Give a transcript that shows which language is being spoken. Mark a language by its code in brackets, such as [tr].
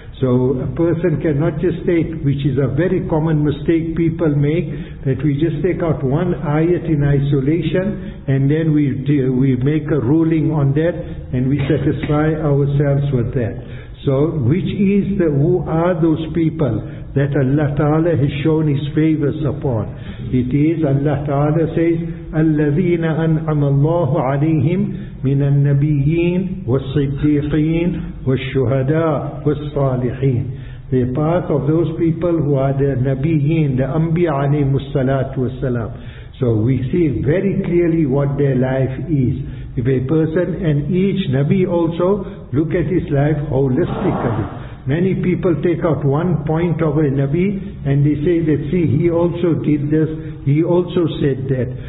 [en] So a person cannot just take, which is a very common mistake people make, that we just take out one ayat in isolation and then we make a ruling on that and we satisfy ourselves with that. So which is the, who are those people that Allah Ta'ala has shown His favors upon? It is, Allah Ta'ala says, [ar] الَّذِينَ أَنْعَمَ اللَّهُ عَلَيْهِمْ مِنَ النَّبِيِّينَ وَالصِّدِّيقِينَ وَالشُّهَدَاءِ وَالصَّالِحِينَ. [en] The path of those people who are the Nabiyeen, the Anbiya alayhim salatu wasalam. So we see very clearly what their life is. If a person, and each Nabi also, look at his life holistically. Many people take out one point of a Nabi and they say that, see, he also did this, he also said that.